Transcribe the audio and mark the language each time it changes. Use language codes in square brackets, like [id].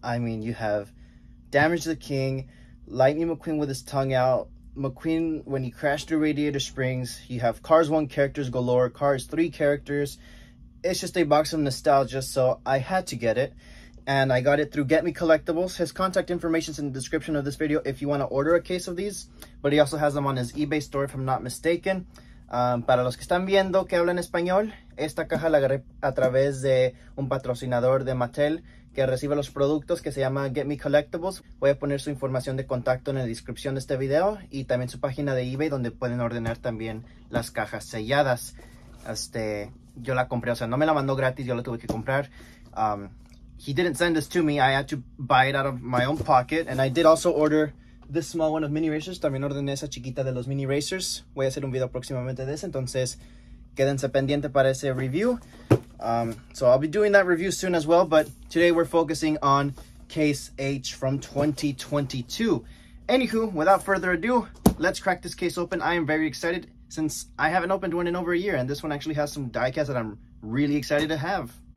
[en] I mean, you have Damage the King, Lightning McQueen with his tongue out, McQueen when he crashed through Radiator Springs, you have Cars 1 characters galore, Cars 3 characters. It's just a box of nostalgia, so I had to get it, and I got it through Get Me Collectibles. His contact information is in the description of this video if you want to order a case of these, but he also has them on his eBay store if I'm not mistaken. [es] Para los que están viendo que hablan español, esta caja la agarré a través de un patrocinador de Mattel que recibe los productos, que se llama Get Me Collectibles. Voy a poner su información de contacto en la descripción de este video y también su página de eBay, donde pueden ordenar también las cajas selladas. Yo la compré, o sea, no me la mandó gratis, yo la tuve que comprar. [en] He didn't send this to me, I had to buy it out of my own pocket. And I did also order this small one of mini racers. [es] También ordené esa chiquita de los mini racers. Voy a hacer un video próximamente de ese, entonces quédense pendiente para ese review. [en] So I'll be doing that review soon as well, but today we're focusing on case H from 2022. Anywho, without further ado, let's crack this case open. I am very excited since I haven't opened one in over a year, and this one actually has some diecast that I'm really excited to have.